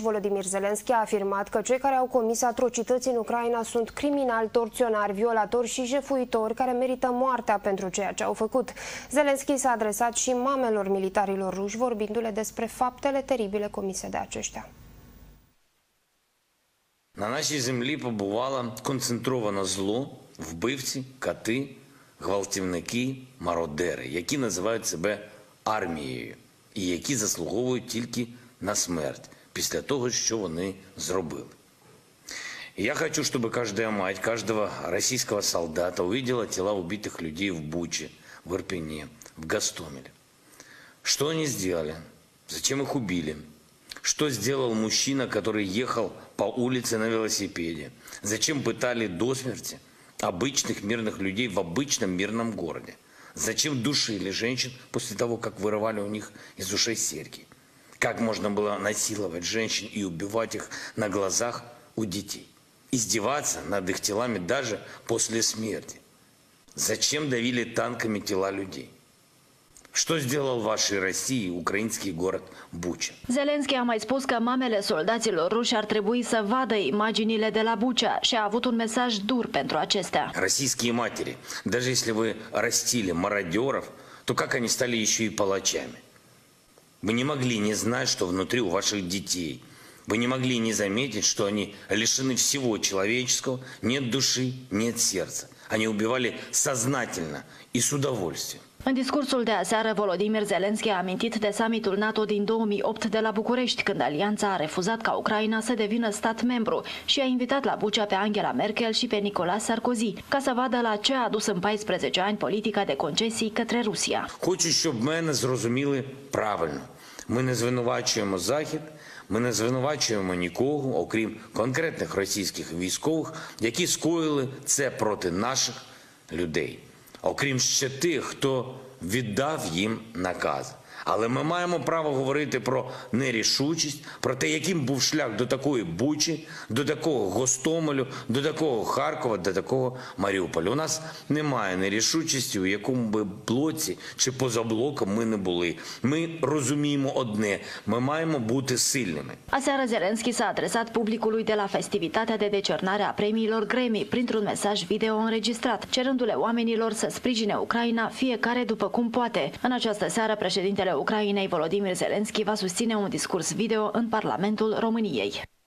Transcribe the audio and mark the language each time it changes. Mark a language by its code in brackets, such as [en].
[ro] Volodymyr Zelensky a afirmat că cei care au comis atrocități în Ucraina sunt criminali, torționari, violatori și jefuitori care merită moartea pentru ceea ce au făcut. Zelensky s-a adresat și mamelor militarilor ruși, vorbindu-le despre faptele teribile comise de aceștia. [uk] На нашій землі побувало концентроване зло, вбивці, кати, гвалтівники, мародери, які називають себе армією і які заслуговують тільки на смерть після того, що вони зробили. Я хочу, щоб кожна мать, кожного російського солдата увиділа тіла вбитих людей в Бучі, в Ірпені, в Гостомелі. Що вони зробили? [ru] Зачем їх убили? [uk] Що зробив мужчина, який їхав по вулиці на велосипеді? [ru] Зачем питали до смерті обычных мирных людей в обычном мирном городе? Зачем душили женщин после того, как вырывали у них из ушей серьги? Как можно было насиловать женщин и убивать их на глазах у детей? Издеваться над их телами даже после смерти? Зачем давили танками тела людей? [uk] Що зробив вашій Росії український город Буча? [ro] Зеленський мai spus că mamele soldaților ruși ar trebui să vadă imaginile de la Bucha și a avut un mesaj dur pentru acestea. [uk] Російські матері, [ru] даже если вы растили мародеров, то как они стали еще и палачами? Вы не могли не знать, что внутри у ваших детей. Вы не могли не заметить, что они лишены всего человеческого, нет души, нет сердца. Они убивали сознательно и с удовольствием. [ro] În discursul de aseară, Volodymyr Zelensky a amintit de summitul NATO din 2008 de la București, când alianța a refuzat ca Ucraina să devină stat membru și a invitat la Bucha pe Angela Merkel și pe Nicolas Sarkozy, ca să vadă la ce a adus în 14 ani politica de concesii către Rusia. [uk] Хочу, щоб мене зрозуміли правильно. Ми не звинувачуємо Захід, ми не звинувачуємо нікого, окрім конкретних російських військових, які скоїли це проти наших людей. Окрім ще тих, хто віддав їм наказ. Але ми маємо право говорити про нерішучість, про те, яким був шлях до такої Бучі, до такого Гостомелю, до такого Харкова, до такого Маріуполя. У нас немає нерішучості, у якому би блоці чи поза блоком ми не були. Ми розуміємо одне, ми маємо бути сильними. [ro] Aseară Zelenskyj s-a adresat publicului de la festivitatea de decernare a premiilor Grammy printr-un mesaj video înregistrat, cerându-le oamenilor să sprijine Ucraina fiecare după cum poate. În această seară, președintele Ucrainei Volodymyr Zelensky va susține un discurs video în Parlamentul României.